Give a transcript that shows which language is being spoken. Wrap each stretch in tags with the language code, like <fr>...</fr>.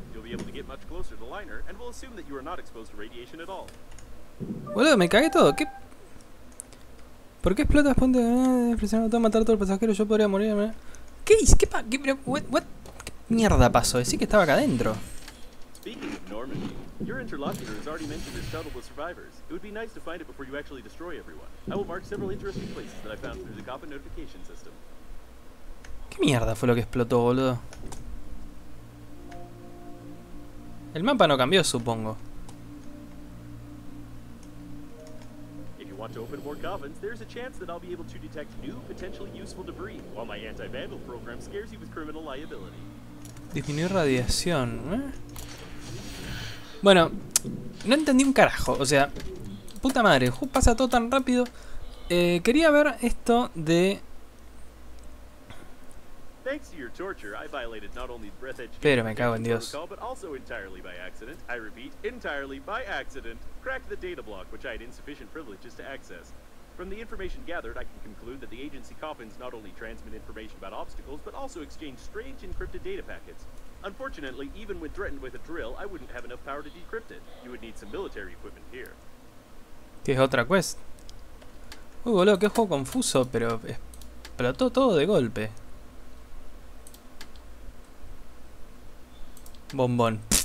<en>You'll be able to get much closer to the liner, and we'll assume that you are not exposed to radiation at all.</en> <es>Boludo, me cagué todo. ¿Qué? ¿Por qué explotas puente de presionar todo, matar a todos los pasajeros? Yo podría morir. ¿Qué hice? ¿Qué pasa? ¿Qué mierda pasó? Decí que estaba acá adentro.</es> <en>Speaking of Normandy, Your interlocutor has already mentioned this shuttle with survivors. It would be nice to find it before you actually destroy everyone. I will mark several interesting places that I found through the Coppin notification system.</en> <es>¿Qué mierda fue lo que explotó, boludo? El mapa no cambió, supongo.</es> <en>Want to open more coffins, there's a chance that I'll be able to detect new, potentially useful debris, while my anti-vandal program scares you with criminal liability.</en> <es>Disminuir radiación, ¿eh? Bueno, no entendí un carajo, o sea, puta madre, pasa todo tan rápido. Quería ver esto de...</es> <en>Thanks to your torture, I violated not only the breath edge...</en> <es>Pero me cago en Dios.</es> <en>Protocol, ...but also entirely by accident, I repeat, entirely by accident, cracked the data block which I had insufficient privileges to access. From the information gathered, I can conclude that the agency coffins not only transmit information about obstacles, but also exchange strange encrypted data packets. Unfortunately, even when threatened with a drill, I wouldn't have enough power to decrypt it. You would need some military equipment here.</en> <es>¿Qué es otra quest? Uy, boludo, qué juego confuso, pero explotó todo de golpe. Bombón.</es>